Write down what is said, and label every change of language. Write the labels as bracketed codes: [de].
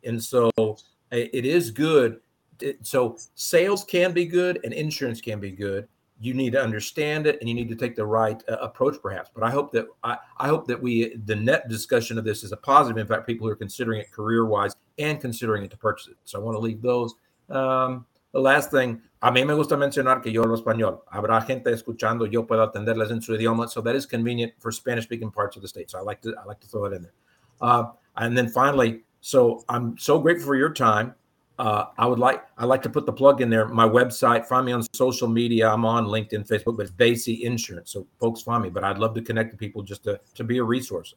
[en] And so it is good. So sales can be good and insurance can be good. You need to understand it and you need to take the right approach, perhaps. But I hope that the net discussion of this is a positive impact for people who are considering it career-wise and considering it to purchase it. So I want to leave those. [es] The last thing, a mí me gusta mencionar que yo hablo español. Habrá gente escuchando, yo puedo atenderles en su idioma. [en] So that is convenient for Spanish-speaking parts of the state. So I like to throw that in there. And then finally, so I'm so grateful for your time. I'd like to put the plug in there. My website, find me on social media. I'm on LinkedIn, Facebook, but it's Basey Insurance. So folks find me, but I'd love to connect to people just to be a resource.